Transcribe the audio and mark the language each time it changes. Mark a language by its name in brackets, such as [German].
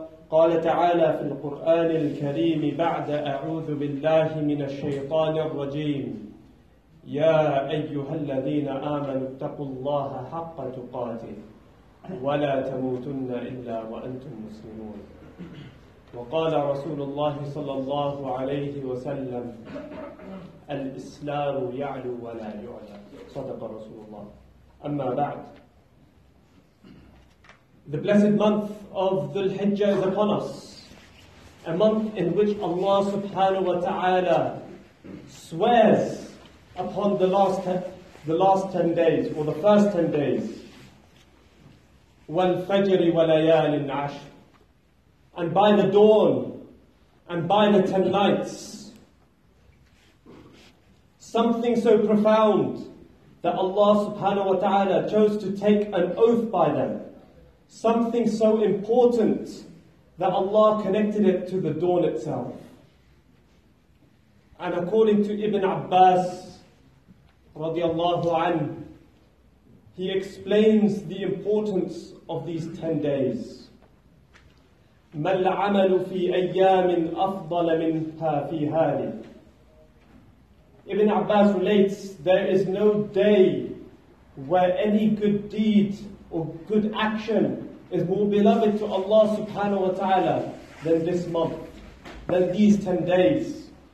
[Arabic] قال تعالى في القرآن الكريم بعد أعوذ بالله من الشيطان الرجيم: يا أيها الذين آمنوا اتقوا الله حق تقاته ولا تموتن إلا وأنتم مسلمون. وقال رسول الله صلى الله عليه وسلم: الإسلام يعلو ولا يعلى. صدق رسول الله. أما بعد, [English] the blessed month of Dhul Hijjah is upon us, a month in which Allah subhanahu wa ta'ala swears upon the last 10 days, or the first 10 days, [Arabic] وَالْفَجْرِ وَلَيَالٍ عَشْرٍ, [English] and by the dawn, and by the 10 nights. Something so profound that Allah subhanahu wa ta'ala chose to take an oath by them. Something so important that Allah connected it to the dawn itself. And according to Ibn Abbas radiallahu anhu, he explains the importance of these 10 days. [Arabic] ما العمل في أيام أفضل منها في هذه. [English] Ibn Abbas relates, there is no day where any good deed or good action is more beloved to Allah subhanahu wa ta'ala than this month, than these 10 days.